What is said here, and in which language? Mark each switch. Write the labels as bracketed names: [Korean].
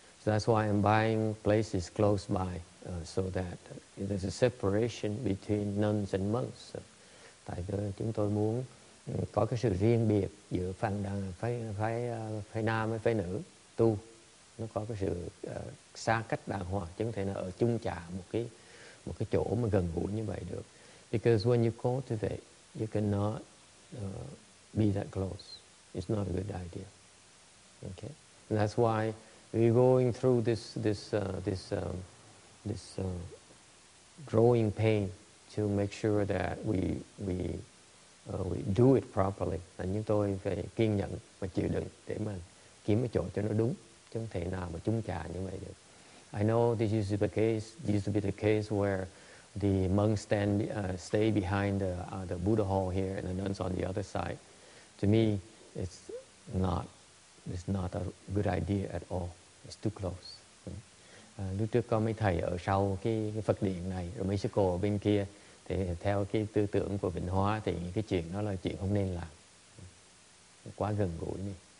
[English] So that's why I'm buying places close by, so that there's a separation between nuns and monks. [Vietnamese] Tại chúng tôi muốn có cái sự riêng biệt giữa phần đàn phái nam với phái nữ tu. Nó có cái sự xa cách đàng hoàng, chứ không thể nào ở chung chạ một cái chỗ mà gần gũi như vậy được. [English] Because when you cultivate, you cannot be that close. It's not a good idea. Okay, and that's why we're going through this growing pain to make sure that we do it properly. [Vietnamese] Là chúng tôi phải kiên nhẫn và chịu đựng để mà kiếm cái chỗ cho nó đúng, chứ không thể nào mà chung chạ như vậy được. [English] I know this used to be the case. Where the monks stay behind the Buddha hall here, and the nuns on the other side. To me, it's not a good idea at all. It's too close. [Vietnamese] Lúc trước có mấy thầy ở sau cái Phật điện này, rồi mấy sư cô ở bên kia, thì theo cái tư tưởng của Vịnh Hóa thì cái chuyện đó là chuyện không nên làm. Quá gần gũi đi.